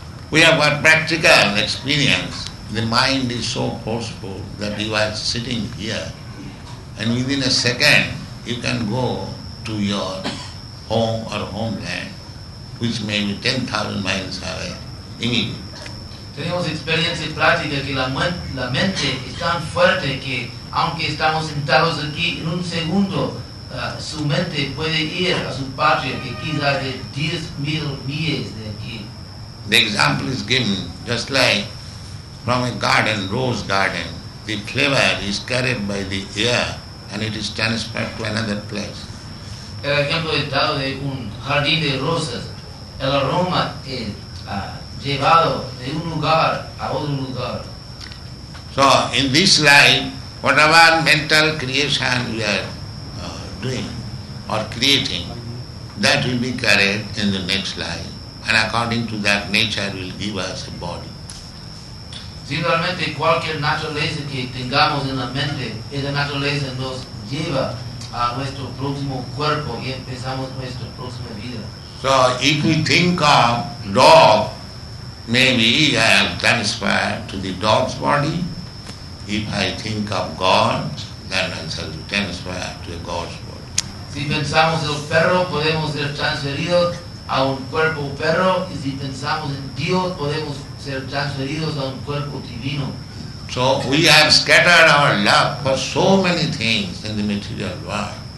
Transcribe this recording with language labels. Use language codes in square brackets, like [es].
[en] We have got practical experience. The mind is so forceful that you are sitting here and within a second you can go to your home or homeland, which may be 10,000 miles away, immediately. [es] Tenemos experiencia práctica que la mente es tan fuerte que aunque estamos sentados aquí en un segundo, su mente puede ir a su patria que quizás de 10,000 millas de aquí. [en] The example is given just like from a garden, rose garden. The flavor is carried by the air and it is transferred to another place. [es] El ejemplo es dado de un jardín de rosas. El aroma es llevado de un lugar a otro lugar. [en] So, in this life, whatever mental creation we are doing or creating, that will be carried in the next life. And according to that, nature will give us a body. [es] Simplemente cualquier naturaleza que tengamos en la mente, esa naturaleza nos lleva a nuestro próximo cuerpo y empezamos nuestra próxima vida. [en] So if we think of dog, maybe I am transferred to the dog's body. If I think of God, then I shall be transferred to a God's body. [es] Si pensamos en el perro, podemos ser transferidos a un cuerpo perro, y si pensamos en Dios, podemos ser transferidos a un cuerpo divino. [en] So we have scattered our love for so many things in the material world.